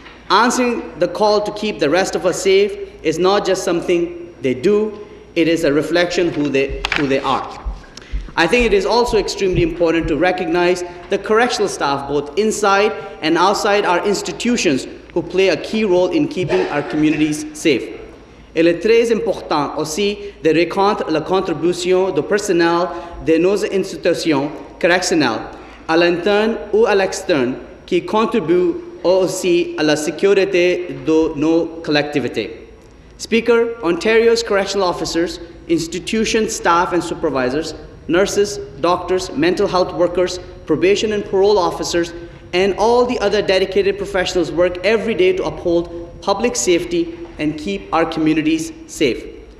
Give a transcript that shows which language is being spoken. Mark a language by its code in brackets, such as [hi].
[en] Answering the call to keep the rest of us safe is not just something they do, it is a reflection of who they are. I think it is also extremely important to recognize the correctional staff, both inside and outside our institutions, who play a key role in keeping our communities safe. [fr] Il est très important aussi de reconnaître la contribution du personnel de nos institutions correctionnelles, à l'interne ou à l'externe, qui contribuent aussi à la sécurité de nos collectivités. [en] Speaker, Ontario's correctional officers, institution staff and supervisors, nurses, doctors, mental health workers, probation and parole officers, and all the other dedicated professionals work every day to uphold public safety and keep our communities safe.